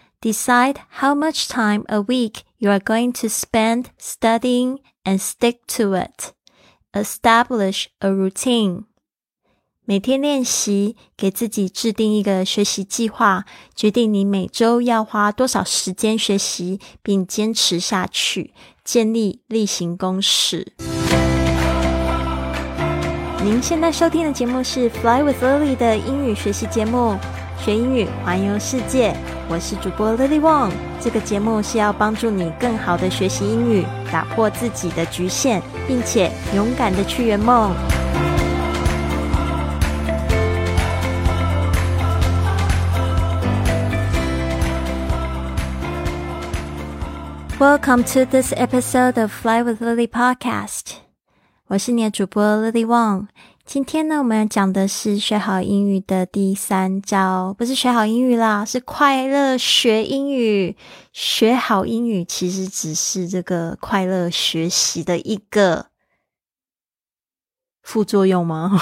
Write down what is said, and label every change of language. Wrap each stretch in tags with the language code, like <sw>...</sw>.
<en>Decide how much time a week you are going to spend studying and stick to it. Establish a routine.</en> <zh>每天练习，给自己制定一个学习计划，决定你每周要花多少时间学习，并坚持下去，建立例行公事。您现在收听的节目是 Fly with Lily 的英语学习节目，学英语环游世界。我是主播 Lily Wong， 这个节目是要帮助你更好的学习英语，打破自己的局限，并且勇敢的去圆梦。</zh> <en>Welcome to this episode of Fly with Lily podcast.</en> <zh>我是你的主播 Lily Wong。今天呢，我们要讲的是学好英语的第三招，不是学好英语啦，是快乐学英语。学好英语其实只是这个快乐学习的一个副作用吗？</zh>